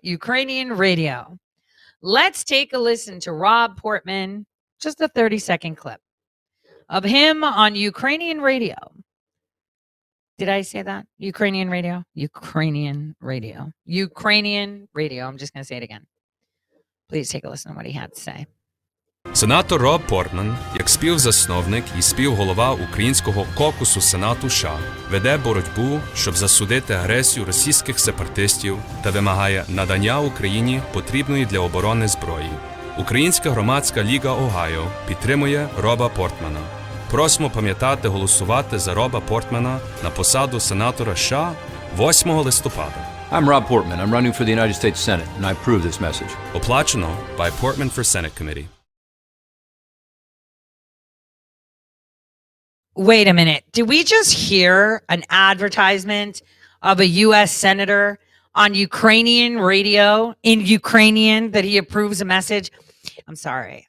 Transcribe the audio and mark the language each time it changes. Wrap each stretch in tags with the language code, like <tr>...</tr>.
<en>Ukrainian radio. Let's take a listen to Rob Portman, just a 30-second clip of him on Ukrainian radio. Did I say that? Ukrainian radio? Ukrainian radio. Ukrainian radio. I'm just going to say it again. Please take a listen to what he had to say.</en> <uk>Сенатор Роб Портман, як співзасновник і співголова українського кокусу Сенату США, веде боротьбу, щоб засудити агресію російських сепаратистів та вимагає надання Україні потрібної для оборони зброї. Українська громадська ліга Огайо підтримує Роба Портмана. Просимо пам'ятати голосувати за Роба Портмана на посаду сенатора США 8 листопада.</uk> <en>I'm Rob Portman. I'm running for the United States Senate, and I approve this message.</en> <uk>Оплачено</uk> <en>by Portman for Senate Committee. Wait a minute. Did we just hear an advertisement of a U.S. senator on Ukrainian radio in Ukrainian that he approves a message? I'm sorry.</en>